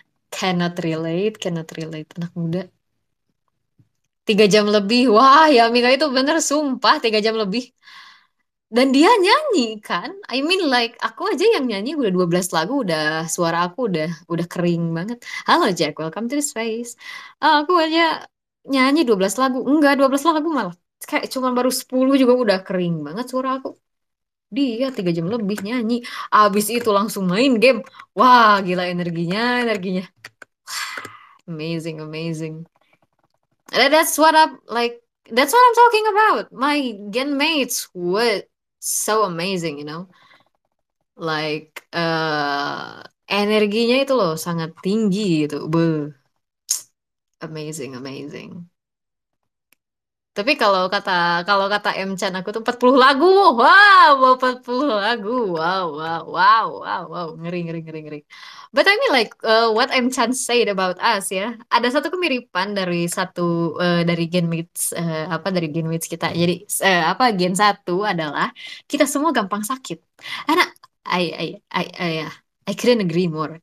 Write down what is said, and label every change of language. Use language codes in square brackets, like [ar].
[en] Cannot relate, cannot relate. [id] Anak muda. 3 jam lebih. Wah, ya Mika itu bener, sumpah. 3 jam lebih. Dan dia nyanyi, kan? [en] I mean, like, [id] aku aja yang nyanyi udah 12 lagu, udah suara aku udah kering banget. Halo, Jack. [en] Welcome to the space. [id] Aku aja nyanyi 12 lagu. Enggak, 12 lagu malah. Kayak cuma baru 10 juga udah kering banget suara aku. Dia 3 jam lebih nyanyi. Abis itu langsung main game. Wah, gila energinya, energinya. [en] Amazing, amazing. That's what I'm like, that's what I'm talking about. My gen mates were so amazing, you know. Like, [id] energinya itu loh sangat tinggi gitu. Beuh. [en] Amazing, amazing. [id] Tapi kalau kata M-chan aku tuh 40 lagu. Wow, 40 lagu. Wow. Ngeri, ngeri, ngeri, ngeri. [en] But I mean like what M-chan said about us [id] ya. Ada satu kemiripan dari satu dari genmates apa dari genmates kita. Jadi apa gen satu adalah kita semua gampang sakit. Karena [en] I couldn't agree more.